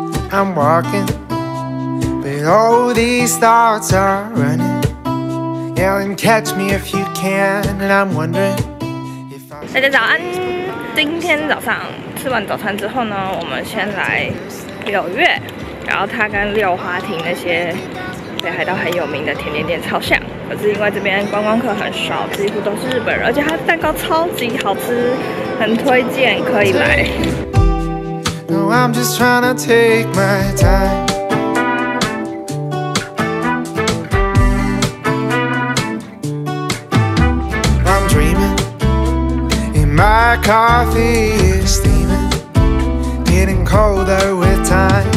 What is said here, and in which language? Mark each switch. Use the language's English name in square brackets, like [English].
[English] I'm walking, but all these thoughts are running. Yeah, and catch me if you can. And I'm wondering if I. [Chinese] 大家早安！今天早上吃完早餐之后呢，我们先来柳月，然后它跟六花亭那些北海道很有名的甜点店超像。可是因为这边观光客很少，几乎都是日本人，而且它蛋糕超级好吃，很推荐可以来。 [English] No, I'm just trying to take my time. I'm dreaming, and my coffee is steaming, getting colder with time.